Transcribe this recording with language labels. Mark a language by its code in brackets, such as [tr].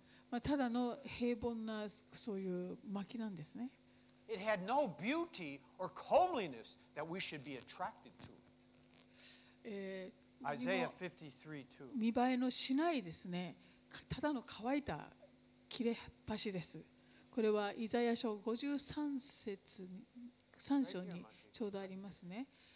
[ja] まあただの平凡なそういう薪なんですね。 [en] It had no beauty or comeliness that we should be attracted to. Isaiah 53:2. [ja] 見栄えのしないですね。ただの乾いた切れ端です。これはイザヤ書53節3章にちょうどありますね。